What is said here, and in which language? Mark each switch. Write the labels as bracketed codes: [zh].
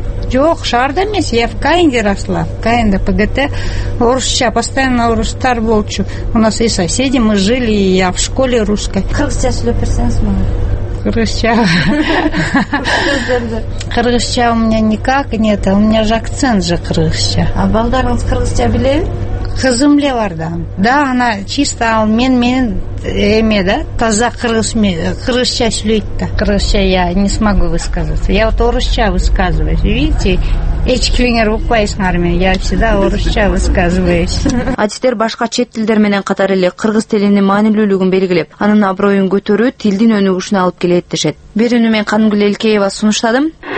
[ky] Жок, шаарда эмес, [ru] я в Каинде росла, в Каинде ПГТ, орусча, постоянно [ky] орустар болчу. [ru] У нас и соседи, мы жили, и я в школе русской. [ky] Кыргызча сүйлөп берсеңиз мага. [ru] Кыргызча у меня никак нет, у меня же акцент же кыргызча. [ky] А балдарыңыз кыргызча билеби? Кызым эле бар да. [ru] Да, она чисто, [ky] ал мен эме да, таза кыргызча сүйлөйт да. [ru] Кыргызча я не смогу высказаться. Я вот орусча высказываюсь, видите? [ky] Эч килиңер укпайсыңар мен, [ru] я всегда орусча высказываюсь. [ky] Адистер башка чет тилдер менен катар эле кыргыз тилинин маанилүүлүгүн белгилеп, анын аброюн көтөрүү тилдин өнүгүшүнө алып келет дешет. Бир үнү мен Кангүл Элкеева сунуштадым.